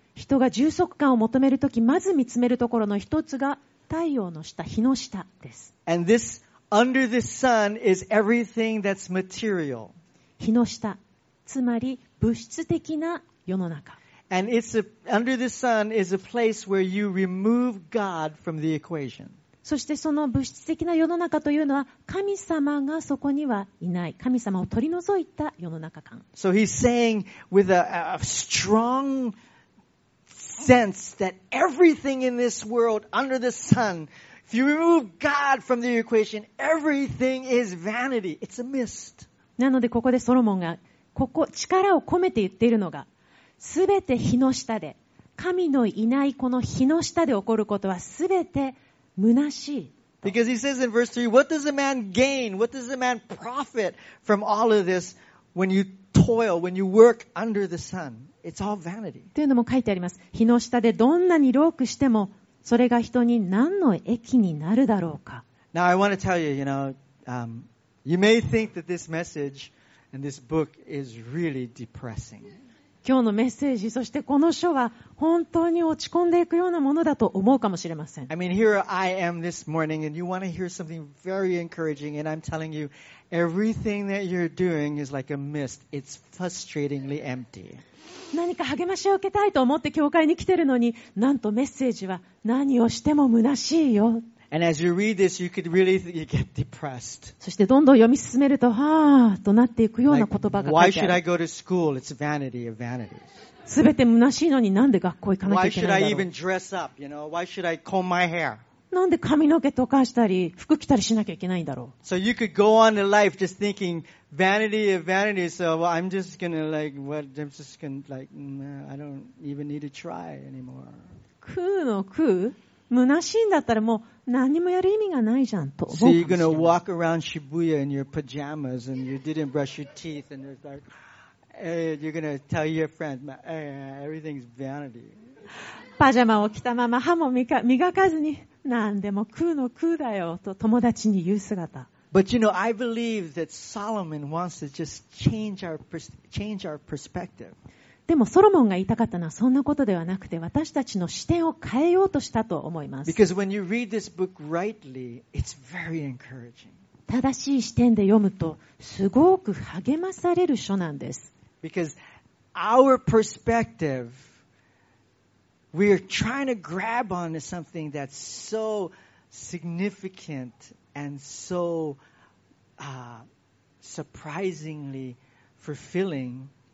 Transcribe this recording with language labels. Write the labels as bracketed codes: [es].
[ja] 人が充足感を求めるとき、まず見つめるところの一つが太陽の下、火の下です。 [en] And this under the sun is everything that's material. [ja] 火の下、つまり物質的な世の中。 [en] And it's a, under the sun is a place where you remove God from the equation. [ja] そしてその物質的な世の中というのは神様がそこにはいない。神様を取り除いた世の中感。 [en] So he's saying with a strong sense that everything in this world under the sun, if you remove God from the equation, everything is vanity. It's a mist. [ja] なのでここでソロモンがここ力を込めて言っているのがすべて火の下で神のいないこの火の下で起こることはすべて虚しい [en] Because he says in verse 3 What does a man gain? What does a man profit from all of this when you toil, when you work under the sun? It's all vanity. [ja] というのも書いてあります火の下でどんなに労苦してもそれが人に何の益になるだろうか [en] Now I want to tell you, you know, You may think that this message and this book is really depressing. [ja] 今日のメッセージ、そしてこの書は本当に落ち込んでいくようなものだと思うかもしれません。 [en] I mean, here I am this morning and you want to hear something very encouraging and I'm telling you, everything that you're doing is like a mist. It's frustratingly empty. [ja] 何か励ましを受けたいと思って教会に来てるのに、なんとメッセージは何をしても虚しいよ。 [en] And as you read this, you could really you get depressed. [ja] そしてどんどん読み進めると、はぁーとなっていくような言葉が書いてある。 [en] Why should I go to school? It's vanity of vanities. [ja] すべて虚しいのになんで学校行かなきゃいけないんだろう。 [en] Why should I even dress up? You know? Why should I comb my hair? [ja] なんで髪の毛とかしたり、服着たりしなきゃいけないんだろう。 [en] So you could go on in life just thinking vanity of vanities. So well, I'm just gonna like, what? I'm just gonna like, I don't even need to try anymore. [ja] 空の空虚しいんだったらもう何もやる意味がないじゃんと思うかもしれない。 [en] So you're gonna walk around Shibuya in your pajamas and you didn't brush your teeth and you're like, you're gonna tell your friend, everything's vanity. [ja] パジャマを着たまま歯も磨かずに何でも空の空だよと友達に言う姿。 [en] But you know, I believe that Solomon wants to just change our perspective. [ja] でもソロモンが言いたかったのはそんなことではなくて私たちの視点を変えようとしたと思います。 [en] Because when you read this book rightly, it's very encouraging. [ja] 正しい視点で読むとすごく励まされる書なんです。 [en] Because our perspective, we are trying to grab onto something that's so significant and so, surprisingly fulfilling.